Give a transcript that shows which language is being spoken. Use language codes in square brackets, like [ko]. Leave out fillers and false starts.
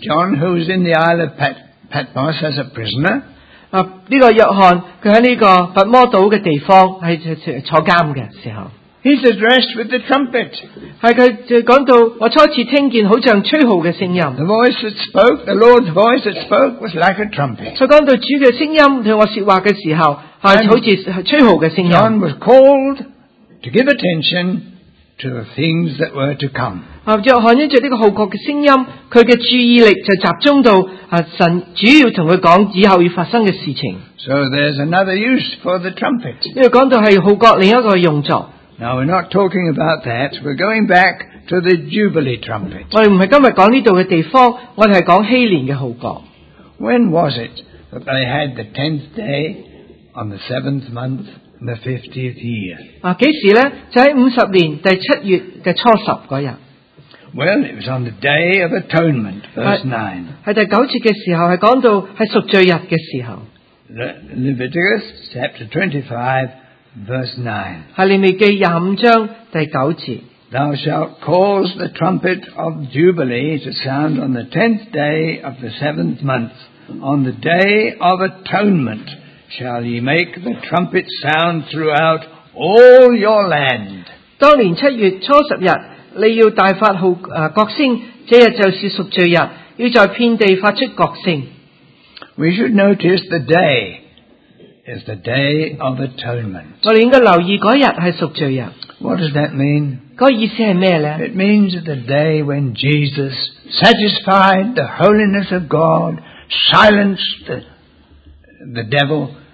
[en] John, who is in the Isle of Patmos as a prisoner. [zh] 这个约翰，他在这个拔摩岛的地方，是坐监的时候。 [en] He's addressed with the trumpet. [zh] 是他讲到，我初次听见好像吹号的声音。 [en] The voice that spoke, the Lord's voice that spoke, was like a trumpet. [zh] 所以讲到主的声音对我说话的时候，是好像吹号的声音。 [en] John was called to give attention to the things that were to come. [zh] 约翰因着这个号角的声音, 他的注意力就集中到神主要跟他讲以后要发生的事情。 [en] So there's another use for the trumpet. [zh] 因为讲到是号角另一个用作。 [en] Now we're not talking about that, we're going back to the Jubilee trumpet. [zh] 我们不是今天讲这里的地方, 我们是讲希年的号角。 [en] When was it that they had the 10th day on the 7th month? The 50th year. [zh] 啊,几时呢? 就在50年第7月的初十那天。 [en] Well, it was on the Day of Atonement, verse 9. [zh] 是第九节的时候, 是讲到是赎罪日的时候。 [en] Leviticus chapter 25, verse 9. [zh] 是列未记25章第9节。 [en] Thou shalt cause the trumpet of Jubilee to sound on the 10th day of the 7th month, on the Day of Atonement. Shall ye make the trumpet sound throughout all your land? [zh] 当年七月初十日，你要大发号角声，这日就是赎罪日，要在遍地发出角声。 [en] We should notice the day is the Day of Atonement. [zh] 我们应该留意那日是赎罪日。 [en] What does that mean? [zh] 那意思是什么呢? [en] It means the day when Jesus satisfied the holiness of God, silenced the devil.